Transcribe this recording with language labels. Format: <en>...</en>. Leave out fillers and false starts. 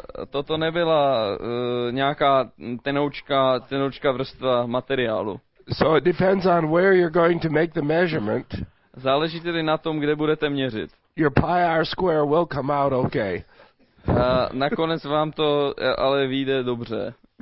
<cs>Toto nebyla nějaká tenoučka vrstva materiálu.</cs> <en>So it depends on where you're going to make the measurement.</en> <cs>Záleží tedy na tom, kde budete měřit.</cs> <en>Your pi r square will come out okay.</en> <cs>Nakonec vám to ale vyjde dobře.</cs>